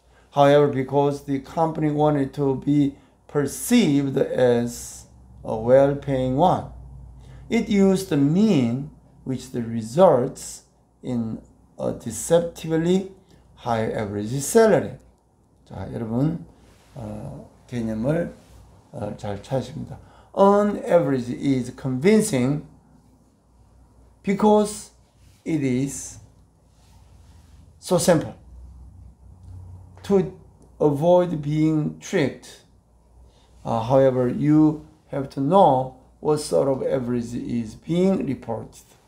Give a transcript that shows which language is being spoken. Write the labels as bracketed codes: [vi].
[en] However, because the company wanted to be perceived as a well-paying one, it used the mean, which results in a deceptively high average salary. [ko] 자, 여러분, 개념을 잘 찾으십니다. [en] An average is convincing because it is so simple. To avoid being tricked, however, you have to know what sort of average is being reported.